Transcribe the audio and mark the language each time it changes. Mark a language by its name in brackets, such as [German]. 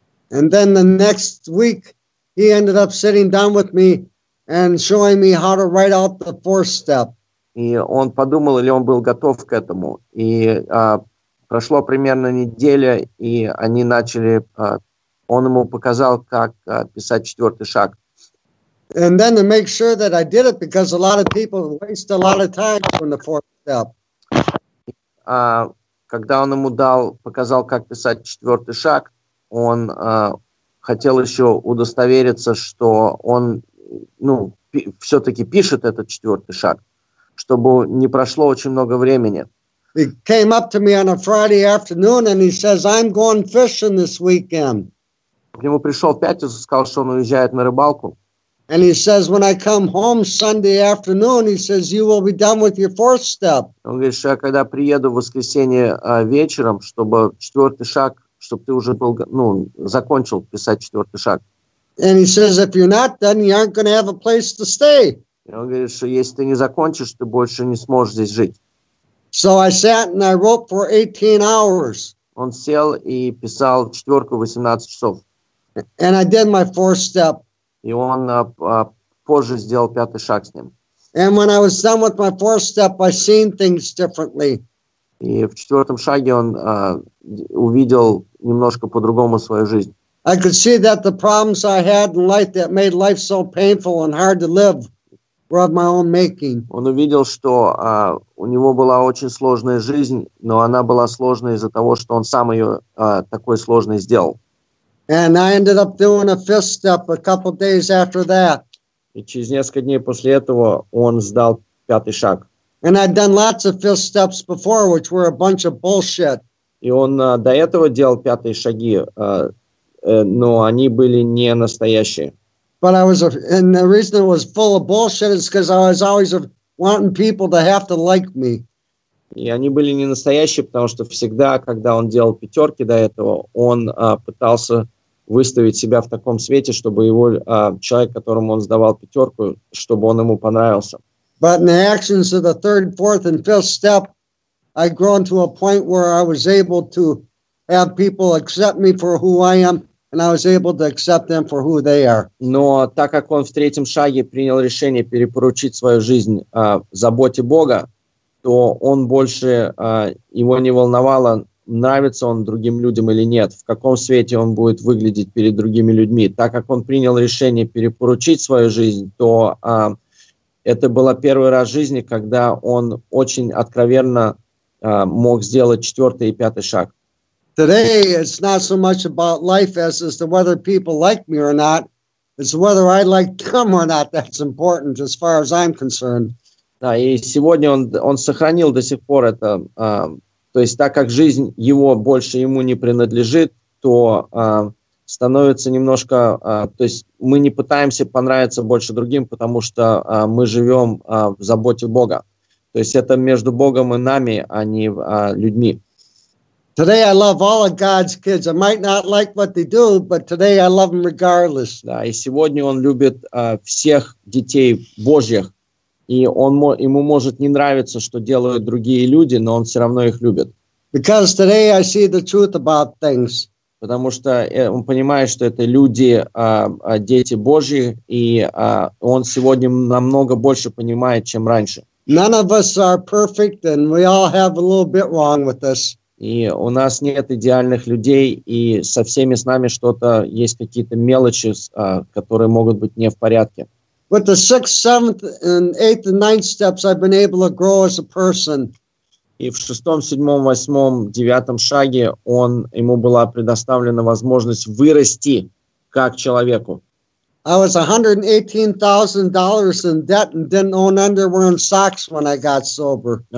[English] And then the next week, he ended up sitting down with me and showing me how to write out the fourth step. [Russian] И он подумал, или он был готов к этому. И прошло примерно неделя, и они начали... он ему показал, как писать четвертый шаг. [English] And then to make sure that I did it, because a lot of people waste a lot of time on the fourth step. [Russian] Когда он ему дал, показал, как писать четвертый шаг, он хотел еще удостовериться, что он, ну, все-таки пишет этот четвертый шаг, чтобы не прошло очень много времени. [English] He came up to me on a Friday afternoon and he says, I'm going fishing this weekend. [Russian] К нему пришел в пятницу, сказал, что он уезжает на рыбалку. [English] And he says, when I come home Sunday afternoon, he says, you will be done with your fourth step. [Russian] Он говорит, что я когда приеду в воскресенье вечером, чтобы четвертый шаг, чтобы ты уже был, ну, закончил писать четвертый шаг. [English] And he says, if you're not, then you aren't going to have a place to stay. [Russian] И он говорит, что если ты не закончишь, ты больше не сможешь здесь жить. [English] So I sat and I wrote for 18 hours. [Russian] Он сел и писал четверку 18 часов. [English] And I did my fourth step. [Russian] И он позже сделал пятый шаг с ним. [English] And when I was done with my fourth step, I seen things differently. [Russian] И в четвертом шаге он увидел немножко по-другому свою жизнь. [English] I could see that the problems I had in life that made life so painful and hard to live were of my own making. [Russian] Он увидел, что у него была очень сложная жизнь, но она была сложной из-за того, что он сам ее такой сложной сделал. [English] And I ended up doing a fifth step a couple days after that. [Russian] И через несколько дней после этого он сдал пятый шаг. [English] And I'd done lots of fifth steps before, which were a bunch of bullshit. [Russian] И он до этого делал пятые шаги, но они были не настоящие. [English] But I was, and the reason it was full of bullshit is because I was always wanting people to have to like me. [Russian] И они были не настоящие, потому что всегда, когда он делал пятерки до этого, он пытался выставить себя в таком свете, чтобы его человек, которому он сдавал пятерку, чтобы он ему понравился. [English] But in the actions of the third, fourth, and fifth step, I'd grown to a point where I was able to have people accept me for who I am, and I was able to accept them for who they are. [Russian] Но так как он в третьем шаге принял решение перепоручить свою жизнь заботе Бога, то он больше, его не волновало, нравится он другим людям или нет, в каком свете он будет выглядеть перед другими людьми. Так как он принял решение перепоручить свою жизнь, то это был первый раз в жизни, когда он очень откровенно мог сделать четвертый и пятый шаг. [English] Today it's not so much about life as is to whether people like me or not. It's whether I like them or not that's important as far as I'm concerned. [Russian] Да, и сегодня он сохранил до сих пор это. То есть так как жизнь его больше ему не принадлежит, то становится немножко... то есть мы не пытаемся понравиться больше другим, потому что мы живем в заботе Бога. То есть это между Богом и нами, а не людьми. [English] Today I love all of God's kids. I might not like what they do, but today I love them regardless. [Russian] Да, и сегодня он любит всех детей Божьих. И он, ему может не нравиться, что делают другие люди, но он все равно их любит. [English] Because today I see the truth about things. [Russian] Потому что он понимает, что это люди, дети Божьи, и он сегодня намного больше понимает, чем раньше. [English] None of us are perfect, and we all have a little bit wrong with us. [Russian] И у нас нет идеальных людей, и со всеми с нами что-то есть какие-то мелочи, которые могут быть не в порядке. [English] With the sixth, seventh, and eighth, and ninth steps, I've been able to grow as a person. [Russian] И в шестом, седьмом, восьмом, девятом шаге он, ему была предоставлена возможность вырасти как человеку. [English] I was $118,000 in debt and didn't own underwear and socks when I got sober.